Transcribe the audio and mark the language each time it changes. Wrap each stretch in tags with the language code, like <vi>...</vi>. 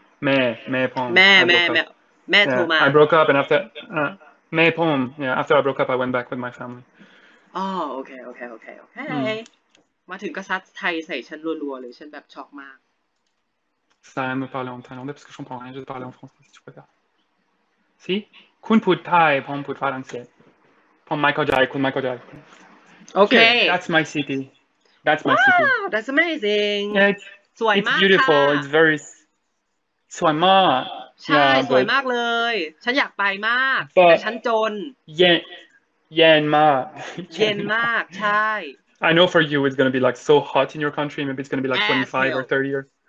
<en>I broke up and after I broke up I went back with my family. Oh okay.</en> <th>มาถึงก็ซัดไทยใส่ฉันรัวๆเลยฉันแบบช็อกมาก สายมาพูดในไทยแล้วเนี่ย</th> <fr>parce que je comprends rien je parle en français tu peux dire si</fr> <th>คุณพูดไทยผมพูดฝรั่งเศสผมไม่เข้าใจคุณไม่เข้าใจ โอเค</th> <en>that's my city that's my city wow that's amazing</en> <th>สวยมากค่ะ</th> <en>it's beautiful it's very</en> <th>สวยมาก ใช่สวยมากเลยฉันอยากไปมากแต่ฉันจน เย็นมาก ใช่</th> <en>I know for you it's going to be like so hot in your country. Maybe it's going to be like 25 or 30 or...</en>